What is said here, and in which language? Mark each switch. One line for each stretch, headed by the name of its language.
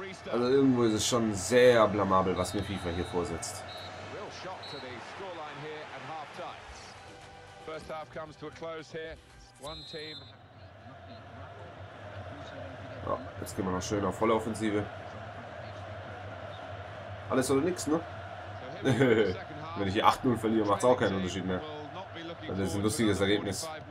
German: Also irgendwo ist es schon sehr blamabel, was mir FIFA hier vorsetzt.
English: Real shot to the scoreline here at half time. First half comes to a close here. One team.
German: Ja, jetzt gehen wir noch schön auf volle Offensive. Alles oder nichts, ne? Wenn ich hier 8-0 verliere, macht es auch keinen Unterschied mehr. Das ist ein lustiges Ergebnis.